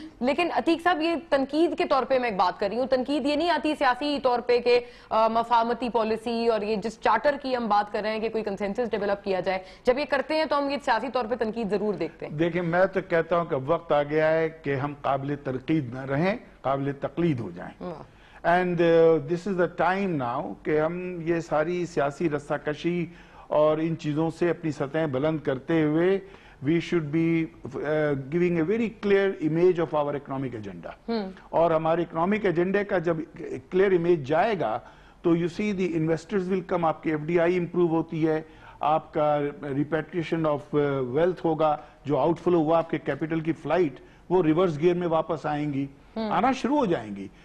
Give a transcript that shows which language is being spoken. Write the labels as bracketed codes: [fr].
[hi] लेकिन अतीक साहब, ये तनकीद के तौर पर मैं एक बात कर रही हूँ, तनकीद ये नहीं आती सियासी तौर पर के मफामती पॉलिसी और ये जिस चार्टर की हम बात कर रहे हैं कि कोई कंसेंसस डेवलप किया जाए, जब ये करते हैं तो हम ये सियासी तौर पर तनकीद जरूर देखते हैं. देखिए, मैं तो कहता हूँ कि वक्त आ गया है कि हम काबिल तनकीद न रहें, काबिल तकलीद हो जाएं. [en] And this is the time now [hi] कि हम ये सारी सियासी रस्साकशी और इन चीज़ों से अपनी सतहें बुलंद करते हुए [en] we should be giving a very clear image of our economic agenda. [hi] और हमारे economic agenda का जब clear image जाएगा तो [en] you see the investors will come, [hi] आपकी FDI improve होती है, आपका [en] repatriation of wealth [hi] होगा, जो outflow हुआ आपके capital की flight वो [en] reverse gear [hi] में वापस आएंगी, आना शुरू हो जाएंगी.